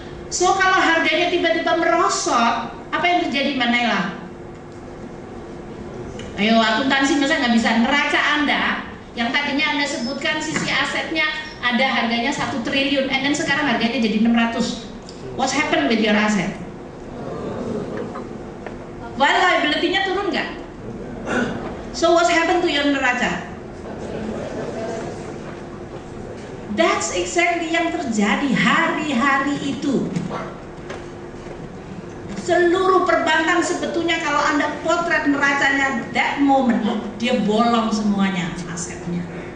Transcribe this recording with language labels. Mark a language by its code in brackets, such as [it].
[id] So kalau harganya tiba-tiba merosot, apa yang terjadi Mbak Naila? Ayo akuntansi masa nggak bisa, neraca Anda yang tadinya Anda sebutkan sisi asetnya ada harganya 1 triliun [en] and then [id] sekarang harganya jadi 600. [en] What's happened with your asset? Well, liability-nya [id] turun nggak? [en] So what's happened to your neraca? That's exactly [id] yang terjadi hari-hari itu. seluruh perbankan sebetulnya kalau Anda potret neracanya [en] that moment, [id] dia bolong semuanya asetnya.